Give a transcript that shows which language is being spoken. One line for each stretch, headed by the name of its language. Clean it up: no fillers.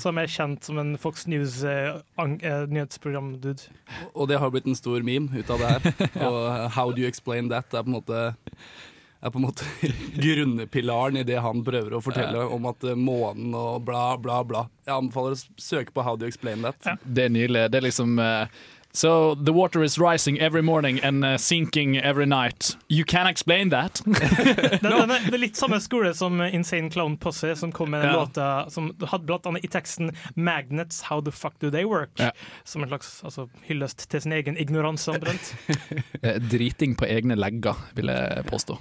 Norwegian: Som er kjent som en Fox News nyhetsprogram-dude. Og det har blitt en stor meme ut av det her. Ja. Og
English: how do you explain that
Norwegian: er på en måte grunnepilaren i det han prøver å fortelle om at månen og bla, bla, bla. Jeg anbefaler å søke på
English: how do you explain that.
Norwegian: Ja. Det er nylig. Det er liksom...
English: So the water is rising every morning and sinking every night. You can't explain that.
Norwegian: Det er litt samme skole som Insane Clown Posse, som kom med en låta som hadde blant annet i teksten
English: Magnets, how the fuck do they work?
Norwegian: Yeah. Som en slags hyllest til sin egen ignoranse omtrent. Driting på egne legger, vil jeg påstå.